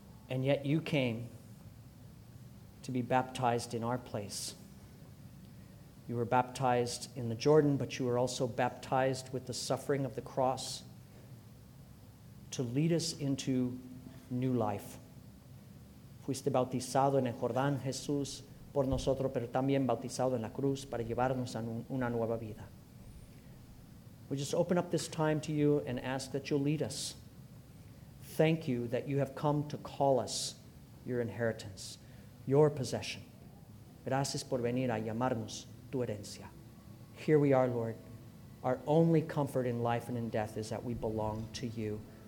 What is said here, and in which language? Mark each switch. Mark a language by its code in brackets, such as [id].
[en] And yet you came to be baptized in our place. You were baptized in the Jordan, but you were also baptized with the suffering of the cross to lead us into new life. [es] Fuiste bautizado en el Jordán, Jesús, por nosotros, pero también bautizado en la cruz para llevarnos a una nueva vida. [en] We just open up this time to you and ask that you'll lead us. Thank you that you have come to call us your inheritance, your possession. [es] Gracias por venir a llamarnos tu herencia. [en] Here we are, Lord. Our only comfort in life and in death is that we belong to you.